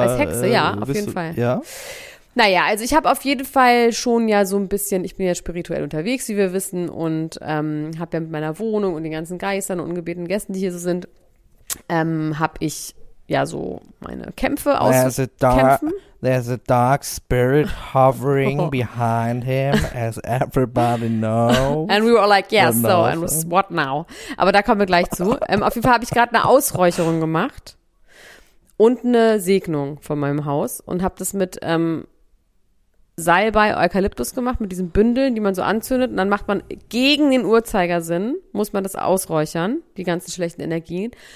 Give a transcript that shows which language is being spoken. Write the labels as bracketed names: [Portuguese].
[German] Als Hexe, ja, auf jeden Fall. Ja? Naja, also ich habe auf jeden Fall schon ja so ein bisschen, ich bin ja spirituell unterwegs, wie wir wissen, und habe ja mit meiner Wohnung und den ganzen Geistern und ungebetenen Gästen, die hier so sind, habe ich ja so meine Kämpfe auszukämpfen. [English] There's a dark spirit hovering behind him, as everybody knows. And we were like, yes, so, and what now? [German] Aber da kommen wir gleich zu. Auf jeden Fall habe ich gerade eine Ausräucherung gemacht und eine Segnung von meinem Haus und habe das mit Salbei Eukalyptus gemacht, mit diesen Bündeln, die man so anzündet. Und dann macht man gegen den Uhrzeigersinn, muss man das ausräuchern, die ganzen schlechten Energien.